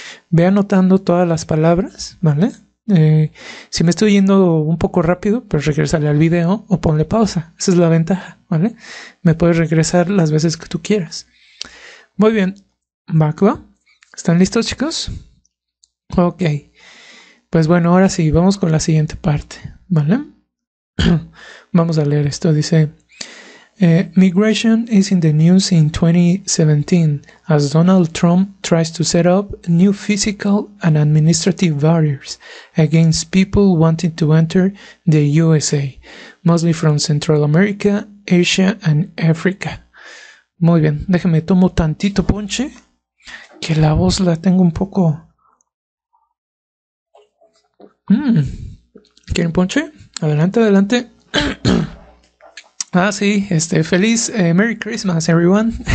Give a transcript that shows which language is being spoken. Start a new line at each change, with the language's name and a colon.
Spanish: Ve anotando todas las palabras, ¿vale? Si me estoy yendo un poco rápido, pues regrésale al video o ponle pausa. Esa es la ventaja, ¿vale? Me puedes regresar las veces que tú quieras. Muy bien, ¿Va? ¿Están listos, chicos? Ok. Pues bueno, ahora sí, vamos con la siguiente parte, ¿vale? Vamos a leer esto. Dice,
English: Migration is in the news in 2017 as Donald Trump tries to set up new physical and administrative barriers against people wanting to enter the USA, mostly from Central America, Asia and Africa.
Spanish: Muy bien, déjeme tomo tantito ponche, que la voz la tengo un poco. ¿Quieren ponche? Adelante, adelante. Ah, sí, feliz,
English: Merry Christmas, everyone.